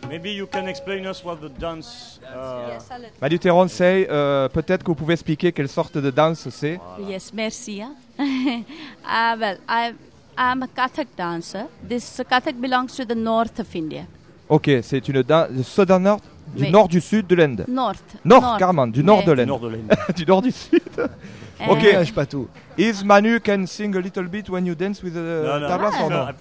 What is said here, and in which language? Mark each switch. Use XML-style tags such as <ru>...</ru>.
<en>Maybe you can explain us what the dance. Manu Terreau, say.</en> <fr>Peut-être que vous pouvez expliquer quelle sorte de danse c'est.</fr> <en>Voilà. Yes, merci. I'm a Kathak dancer. This Kathak belongs to the north of India.</en> <fr>Ok, c'est une danse</fr> <en>southern north,</en> <fr>du nord du sud de l'Inde.</fr> <en>North.</en> <fr>Carmen, du nord de l'Inde. Du nord de l'Inde. Du nord du sud. Ok. Je ne sais pas tout.</fr> <en>Is Manu can sing a little bit when you dance with the tablas or not?</en>